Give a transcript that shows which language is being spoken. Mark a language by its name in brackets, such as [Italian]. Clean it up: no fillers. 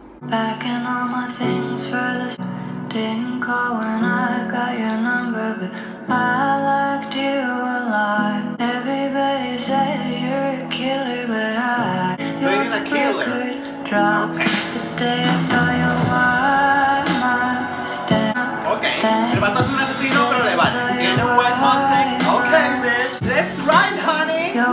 [English] Back in all my things for this. Didn't call when I got your number, but I liked you a lot. Everybody said you're a killer, but I you're a killer. Drop the day I saw your white Mustang. [Spanish] Okay, el vato es un asesino, pero le vale. Tiene un [English] white Mustang. Okay, bitch, let's ride, honey.